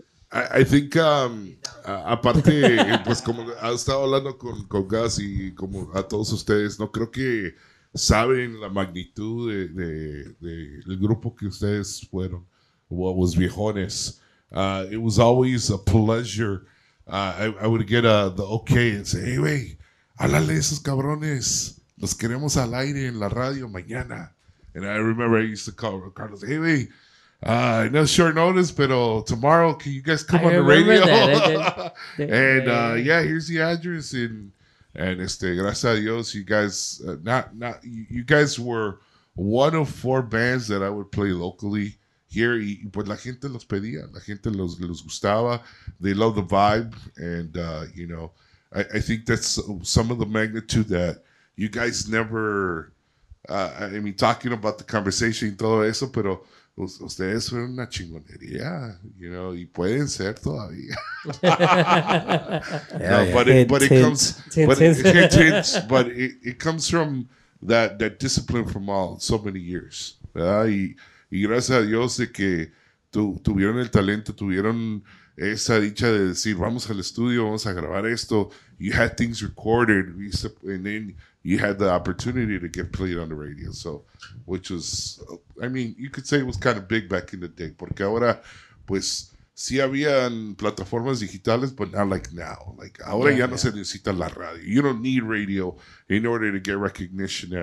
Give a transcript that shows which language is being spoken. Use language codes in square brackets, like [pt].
[en] I think [es] aparte, pues como ha estado hablando con Gas y como a todos ustedes, no creo que saben la magnitud del grupo que ustedes fueron. [en] What was Viejones? It was always a pleasure. I would get the okay and say, hey, wait, [es] Álale esos cabrones. Los queremos al aire en la radio mañana. [en] And I remember I used to call Carlos, hey, wait, I know short notice, [es] pero [en] tomorrow, can you guys come on the radio? yeah, here's the address. And [es] gracias a Dios, [en] you guys, you guys were one of four bands that I would play locally here. [es] Y pues la gente los pedía, la gente los gustaba. [en] They love the vibe. And, you know, I think that's some of the magnitude that you guys never, I mean, talking about the conversation [es] y todo eso, pero ustedes fueron una chingonería, [en] you know, [es] y pueden ser todavía. [en] But it comes from that discipline from all so many years, [es] ¿verdad? Y gracias a Dios de que tuvieron el talento, tuvieron esa dicha de decir, vamos al estudio, vamos a grabar esto. [en] You had things recorded, and then you had the opportunity to get played on the radio. So, which was, I mean, you could say it was kind of big back in the day. [es] Porque ahora, pues, sí habían plataformas digitales, [en] but not like now. [es] Like, ahora yeah, ya yeah. No se necesita la radio. [en] You don't need radio in order to get recognition.